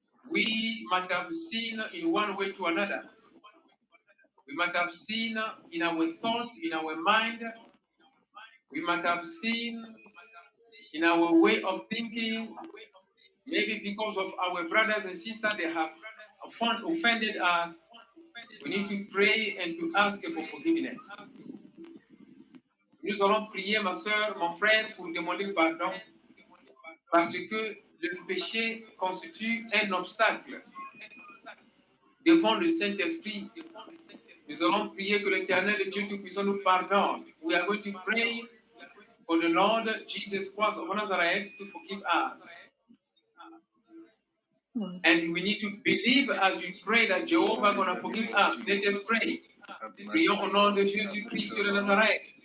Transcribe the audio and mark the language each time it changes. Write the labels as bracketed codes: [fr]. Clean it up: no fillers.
[en] We might have sinned in one way to another. We might have sinned in our thought, in our mind. We might have sinned in our way of thinking. Maybe because of our brothers and sisters, they have offended us. We need to pray and to ask for forgiveness. [fr] Nous allons prier, ma soeur, mon frère, pour demander pardon, parce que le péché constitue un obstacle devant le Saint-Esprit. Nous allons prier que l'Éternel, le Dieu Tout-Puissant, nous pardonne. [en] We are going to pray for the Lord Jesus Christ of Nazareth to forgive us. And we need to believe as we pray that Jehovah is going to forgive us. Let us pray. [fr] Prions au nom de Jésus Christ de Nazareth.